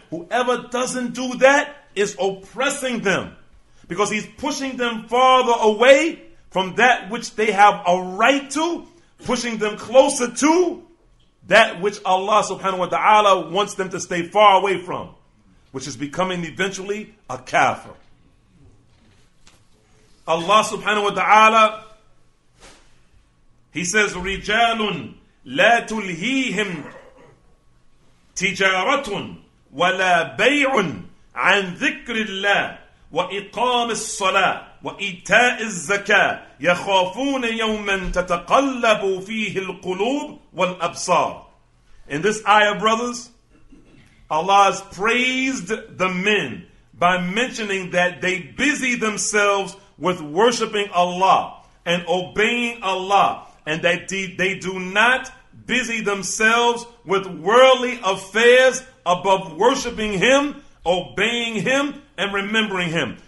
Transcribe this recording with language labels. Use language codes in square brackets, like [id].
[en] Whoever doesn't do that is oppressing them, because he's pushing them farther away from that which they have a right to, pushing them closer to that which Allah subhanahu wa ta'ala wants them to stay far away from, which is becoming eventually a kafir. Allah subhanahu wa ta'ala, he says, [ar] رِجَالٌ لَا تُلْهِيهِمْ تِجَارَةٌ وَلَا بَيْعٌ عَنْ ذِكْرِ اللَّهِ وَإِقَامِ الصَّلَاةِ وَإِيتَاءِ الزَّكَاةِ يَخَافُونَ يَوْمًا تَتَقَلَّبُ فِيهِ الْقُلُوبُ وَالْأَبْصَارِ. [en] In this ayah, brothers, Allah has praised the men by mentioning that they busy themselves with worshiping Allah and obeying Allah, and that they do not busy themselves with worldly affairs above worshiping Him, obeying Him, and remembering Him.